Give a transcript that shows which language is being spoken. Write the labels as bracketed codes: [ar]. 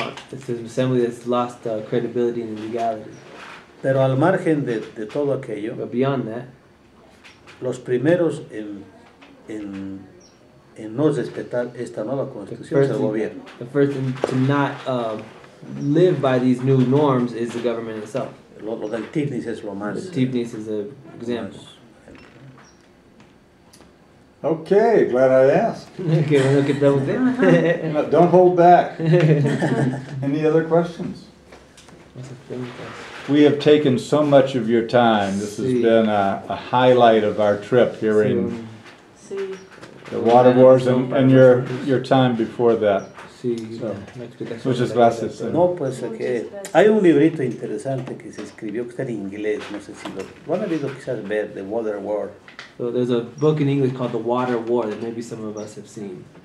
[en] It's an assembly that's lost credibility and legality. [es] Pero al margen de todo aquello, [en] but beyond that, [es] los primeros en no respetar esta nueva constitución es el gobierno. [en] The first to not live by these new norms is the government itself. [es] Lo del Tifnis es lo más. [en] Tifnis is an example. Okay, glad I asked. [es] Okay, que pregunté. [en] Don't hold back. Any other questions? We have taken so much of your time. This has been a highlight of our trip, hearing the water wars and your time before that. So, [es] muchas gracias. No, pues que hay un librito interesante que se escribió, que está en inglés, no sé si lo han leído quizás, ver, The Water War. [en] So there's a book in English called The Water War that maybe some of us have seen.